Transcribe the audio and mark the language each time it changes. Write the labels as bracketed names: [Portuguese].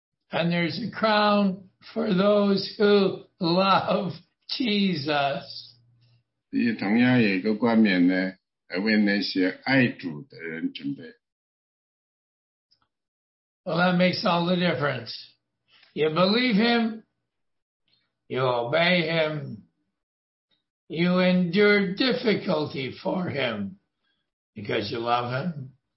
[English] And there's a crown for those who love Jesus. [Chinese] 同样有一个冠冕呢，为那些爱主的人准备。 [English] Well, that makes all the difference. You believe him, you obey him, you endure difficulty for him because you love him.